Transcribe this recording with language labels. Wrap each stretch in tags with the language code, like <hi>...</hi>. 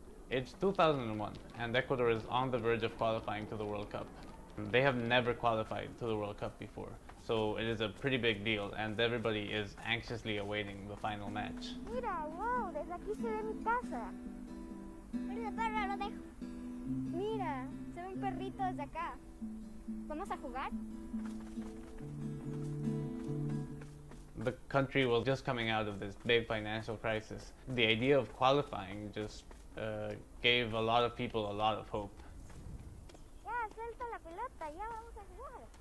<en>It's 2001, and Ecuador is on the verge of qualifying to the World Cup. They have never qualified to the World Cup before, so it is a pretty big deal, and everybody is anxiously awaiting the final match.</en> <es>Mira, wow, desde aquí se ve mi casa. Mira, perro, lo dejo. Mira, se ve un perrito desde acá. ¿Vamos a jugar?</es> <en>The country was just coming out of this big financial crisis. The idea of qualifying just gave a lot of people a lot of hope.</en> <es>Yeah, suelta la pelota, ya vamos a jugar.</es>